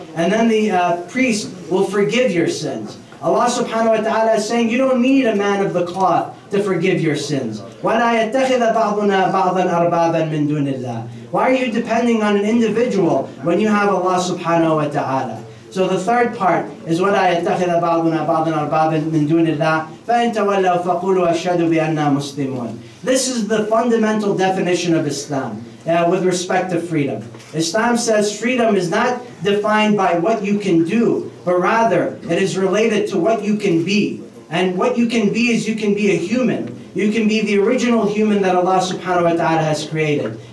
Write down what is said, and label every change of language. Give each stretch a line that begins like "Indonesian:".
English: And then the priest will forgive your sins. Allah subhanahu wa ta'ala is saying you don't need a man of the cloth to forgive your sins.
Arabic: وَلَا يَتَّخِذَ بَعْضُنَا بَعْضًا أَرْبَابًا مِنْ دُونِ اللَّهِ.
English: Why are you depending on an individual when you have Allah subhanahu wa ta'ala? So the third part is
Arabic: وَلَا يَتَّخِذَ بَعْضُنَا بَعْضًا أَرْبَابًا مِنْ دُونِ اللَّهِ فَإِنْ تَوَلَّوْا فَقُولُوا أَشْهَدُوا بِأَنَّا مُسْلِمُونَ.
English: This is the fundamental definition of Islam with respect to freedom. Islam says freedom is not defined by what you can do, but rather it is related to what you can be. And what you can be is you can be a human. You can be the original human that Allah subhanahu wa ta'ala has created.